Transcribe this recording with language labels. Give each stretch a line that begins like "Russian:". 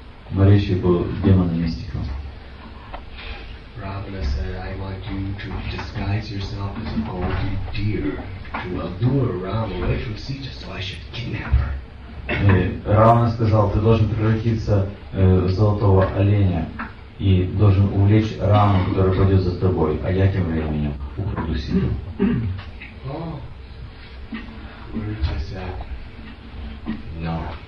Russian: Маричи был демоном-мистиком.
English: Ravana said, I want you to disguise yourself as a golden deer to allure Rama away from Sita, so I should kidnap her.
Russian: Ravana сказал, ты должен превратиться в золотого оленя и должен увлечь Раму, который пойдет за тобой, а я тем временем украду Ситу.
English: Maharishi said, no.